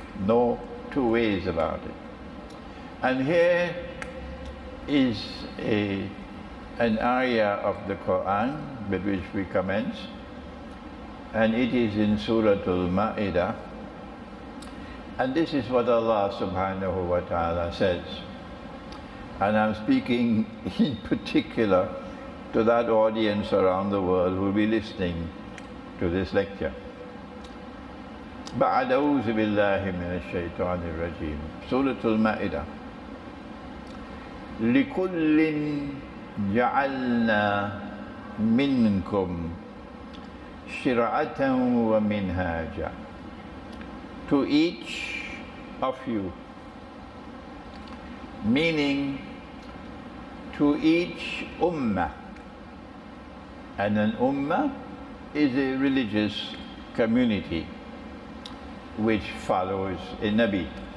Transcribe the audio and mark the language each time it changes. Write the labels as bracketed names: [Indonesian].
[English] No two ways about it. And here is an ayah of the Quran with which we commence, and it is in Surah Al-Ma'idah. And this is what Allah subhanahu wa ta'ala says. And I'm speaking in particular to that audience around the world who will be listening to this lecture. [Arabic] بعد أعوذ بالله من الشيطان الرجيم سورة المائدة لكل جعلنا منكم شرعة ومنهاجا. [English] To each of you, meaning to each ummah. And an ummah is a religious community which follows a Nabi.